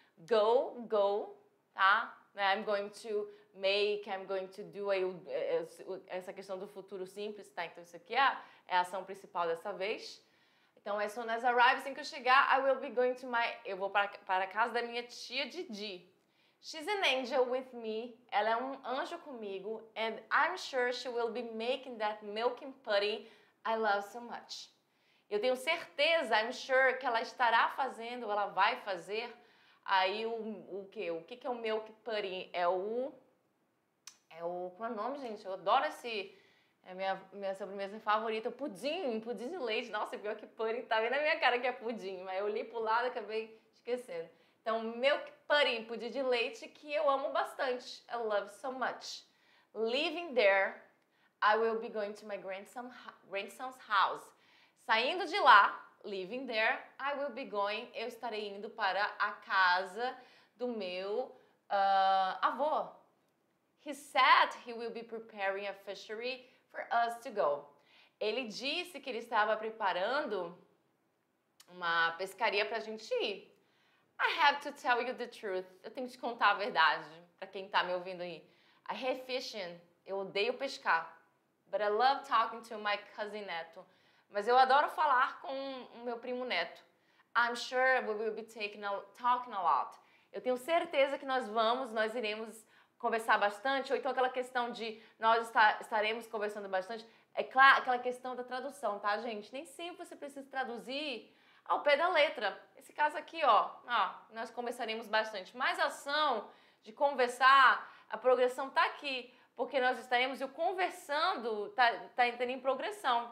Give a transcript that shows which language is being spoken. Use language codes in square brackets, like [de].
[en] Go, tá? I'm going to make, I'm going to do, [pt] aí essa questão do futuro simples, tá? Então, isso aqui é a ação principal dessa vez. Então, [en] as soon as I arrive, [pt] assim que eu chegar, [en] I will be going to my, [pt] eu vou para a casa da minha tia Didi. [en] She's an angel with me, [pt] ela é um anjo comigo, [en] and I'm sure she will be making that milk and pudding I love so much. [pt] Eu tenho certeza, [en] I'm sure, [pt] que ela estará fazendo, ela vai fazer, aí o quê? O que é o milk pudding? É o, qual é o nome, gente? Eu adoro esse, é a minha sobremesa favorita, pudim de leite. Nossa, o milk pudding tá bem na minha cara que é pudim, mas eu li pro lado e acabei esquecendo. Então, milk pudding, pudim de leite, que eu amo bastante. [en] I love so much. Living there, I will be going to my grandson's house. [pt] Saindo de lá, [en] living there, I will be going, [pt] eu estarei indo para a casa do meu avô. [en] He said he will be preparing a fishery for us to go. [pt] Ele disse que ele estava preparando uma pescaria para a gente ir. [en] I have to tell you the truth. [pt] Eu tenho que te contar a verdade, pra quem tá me ouvindo aí. [en] I hate fishing. [pt] Eu odeio pescar. [en] But I love talking to my cousin Neto. [pt] Mas eu adoro falar com o meu primo Neto. [en] I'm sure we will be talking a lot. [pt] Eu tenho certeza que nós iremos conversar bastante. Ou então aquela questão de nós estaremos conversando bastante. É claro, aquela questão da tradução, tá, gente? Nem sempre você precisa traduzir ao pé da letra. Esse caso aqui, ó, nós conversaremos bastante. Mas a ação de conversar, a progressão tá aqui, porque nós estaremos, e o conversando tá entrando em progressão.